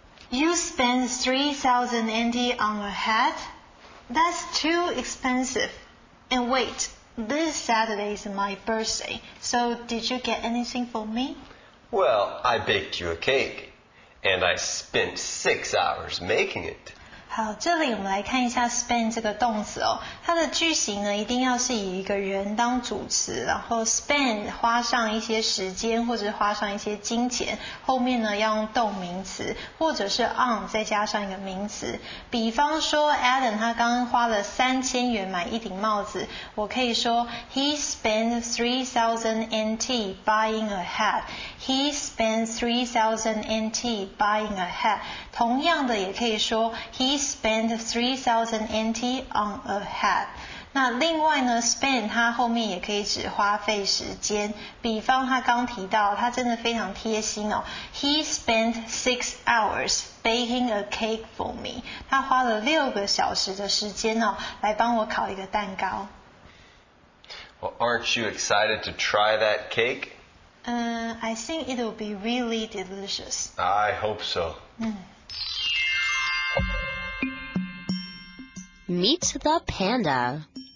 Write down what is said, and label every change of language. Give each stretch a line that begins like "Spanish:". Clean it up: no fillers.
English: You spend 3,000 NT on a hat? That's too expensive. And wait, this Saturday is my birthday, so did you get anything for me? Well, I baked you a cake, and I spent 6 hours making it.
Chinese: 好，这里我们来看一下 spend 这个动词哦，它的句型呢一定要是以一个人当主词，然后 spend 花上一些时间或者花上一些金钱，后面呢要用动名词或者是 on 再加上一个名词。比方说 Adam 他刚刚花了3000元买一顶帽子，我可以说
English: He spent 3000 NT buying a hat. He spent 3000 NT buying a hat.
Chinese: 同样的也可以说
English: He spent 3,000 NT on a hat.
Chinese: 那另外呢 spend 它后面也可以指花费时间，比方他刚提到他真的非常贴心哦。
English: He spent 6 hours baking a cake for me.
Chinese: 他花了6个小时的时间哦，来帮我烤一个蛋糕。
English: Well, aren't you excited to try that cake? I think it will be really delicious. I hope so. Meet the panda.